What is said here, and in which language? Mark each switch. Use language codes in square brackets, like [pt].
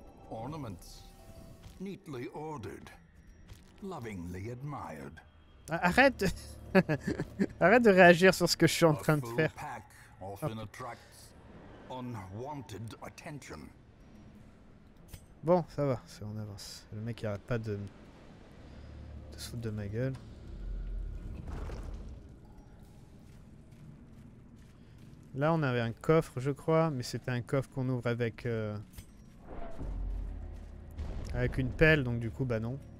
[en] Ornaments neatly ordered, lovingly admired. [fr] Arrête. Arrête de réagir sur ce que je suis en train de faire. [en] Pack often attracts unwanted attention. [fr] Bon, ça va, c'est en avance. Le mec il arrête pas de se foutre de ma gueule. Là on avait un coffre je crois, mais c'était un coffre qu'on ouvre avec avec une pelle, donc du coup bah non.